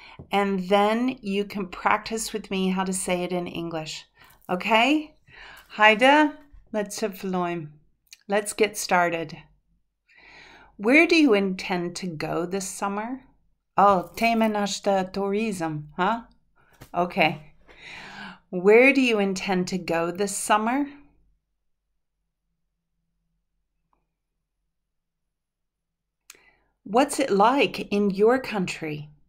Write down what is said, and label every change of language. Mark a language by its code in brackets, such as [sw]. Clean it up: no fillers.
[en] And then you can practice with me how to say it in English. Okay? Hajde, let's [sq] të fillojmë. [en] Let's get started. Where do you intend to go this summer? [sq] Oh, temën është turizëm, huh? [en] Okay. Where do you intend to go this summer? What's it like in your country?